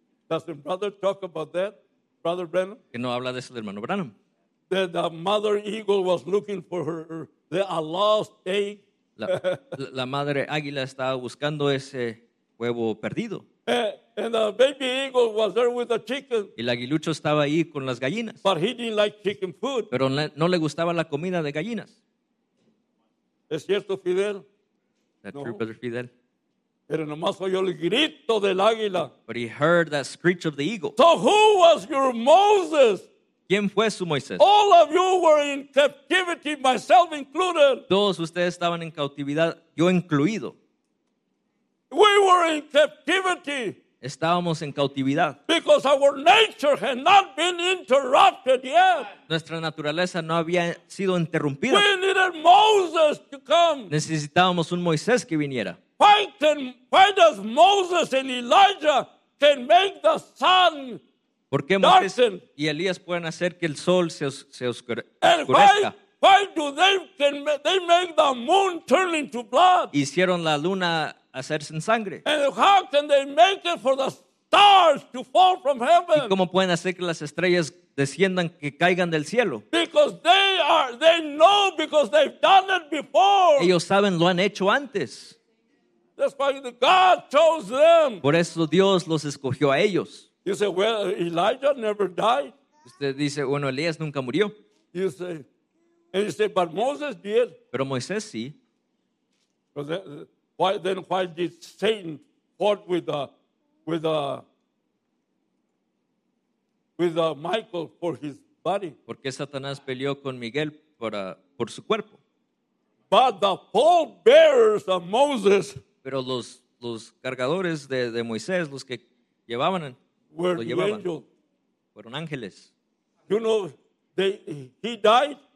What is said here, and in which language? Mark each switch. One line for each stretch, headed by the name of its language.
English: Does the brother talk about that, Brother Branham?
Spanish: ¿Que no habla de eso, hermano Branham?
English: That the mother eagle was looking for a lost egg.
Spanish: La madre águila estaba buscando ese huevo perdido.
English: And the baby eagle was there with the chicken.
Spanish: Y el aguilucho estaba ahí con las gallinas.
English: But he didn't like chicken food.
Spanish: Pero no le gustaba la comida de gallinas. ¿Es cierto, Fidel?
English: That's true, Brother Fidel.
Spanish: Pero nomás oyó el grito del águila.
English: But he heard that screech of the eagle. So who was your Moses?
Spanish: ¿Quién fue su Moisés?
English: All of you were in captivity, myself included.
Spanish: Todos ustedes estaban en cautividad, yo incluido.
English: We were in captivity.
Spanish: Estábamos en cautividad.
English: Because our nature had not been interrupted yet.
Spanish: Nuestra naturaleza no había sido interrumpida.
English: We needed Moses to come.
Spanish: Necesitábamos un Moisés que viniera.
English: Why does Moses and Elijah can make the sun darken?
Spanish: ¿Por qué Moisés y Elías pueden hacer que el sol se oscurezca?
English: And why do they make the moon turn into blood?
Spanish: Hicieron la luna hacerse en sangre.
English: And how can they make it for the stars to fall from heaven?
Spanish: ¿Y cómo pueden hacer que las estrellas desciendan, que caigan del cielo?
English: Because they know, because they've done it before.
Spanish: Ellos saben, lo han hecho antes.
English: That's why God chose them.
Spanish: Por eso Dios los escogió a ellos.
English: You say, well, Elijah never died.
Spanish: Usted dice, bueno, Elías nunca murió.
English: You say, but Moses did.
Spanish: Pero Moisés sí.
English: Why did Satan fought with Michael for his body?
Spanish: ¿Por qué Satanás peleó con Miguel por su cuerpo?
English: But the pole bearers of Moses.
Spanish: Pero los cargadores de Moisés, los que llevaban,
English: were
Spanish: lo llevaban,
English: angel.
Spanish: Fueron ángeles.
English: You know, he died.